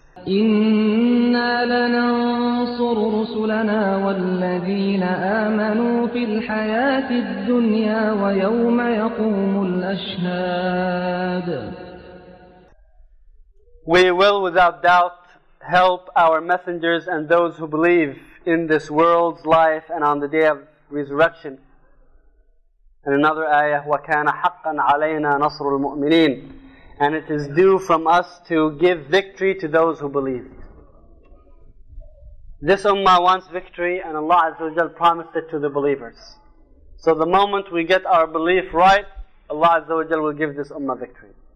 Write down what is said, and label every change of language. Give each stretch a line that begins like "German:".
Arabic: إِنَّا لَنَنصُرُ رُسُلَنَا وَالَّذِينَ آمَنُوا فِي الْحَيَاةِ الدُّنْيَا وَيَوْمَ يَقُومُ الْأَشْهَادِ.
English: We will without doubt help our messengers and those who believe in this world's life and on the Day of Resurrection. And another ayah,
Arabic: وَكَانَ حَقًّا عَلَيْنَا نَصْرُ الْمُؤْمِنِينَ.
English: And it is due from us to give victory to those who believe. This ummah wants victory, and Allah Azza wa Jal promised it to the believers. So the moment we get our belief right, Allah Azza wa Jal will give this ummah victory.